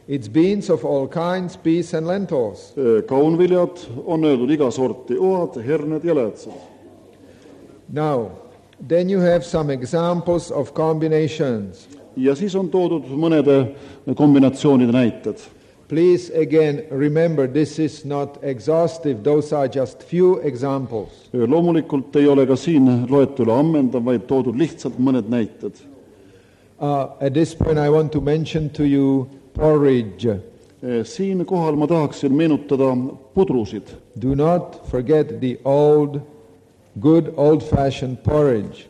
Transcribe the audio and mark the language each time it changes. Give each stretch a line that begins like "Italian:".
English: It's beans of all kinds, peas and lentils.
Estonian: Kaunviljad on öeldud iga sorti, oad, herned ja läätsed.
English: Now, then you have some examples of combinations.
Estonian: Ja siis on toodud mõnede kombinatsioonide näited.
English: Please again remember, this is not exhaustive, those are just few examples.
Estonian: Loomulikult ei ole ka siin loetule ammendav, vaid toodud lihtsalt mõned näited.
English: At this point I want to mention to you porridge.
Estonian: Siin kohal ma tahaksin meenutada pudrusid.
English: Do not forget the old, good old-fashioned porridge.